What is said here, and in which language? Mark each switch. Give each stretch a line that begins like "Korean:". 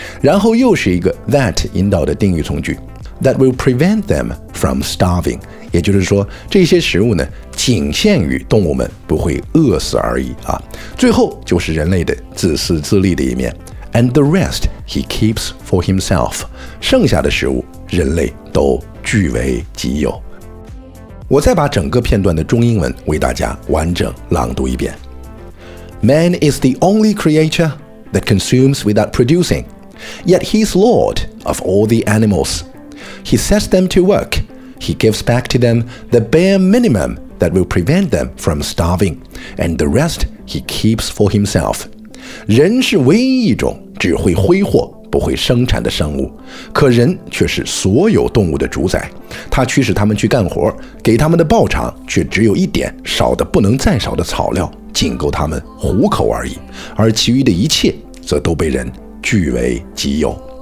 Chinese: 然后又是一个 that 引导的定语从句，
English: that will prevent them from starving，
Chinese: 也就是说这些食物呢仅限于动物们不会饿死而已啊。最后就是人类的自私自利的一面，
English: and the rest he keeps for himself，
Chinese: 剩下的食物人类都据为己有。我再把整个片段的中英文为大家完整朗读一遍。
English: Man is the only creature that consumes without producing, yet he is lord of all the animals. He sets them to work. He gives back to them the bare minimum that will prevent them from starving, and the rest he keeps for himself.
Chinese: 人是唯一一种只会挥霍不会生产的生物，可人却是所有动物的主宰。他驱使他们去干活，给他们的报偿却只有一点少得不能再少的草料，仅够他们糊口而已，而其余的一切则都被人据为己有。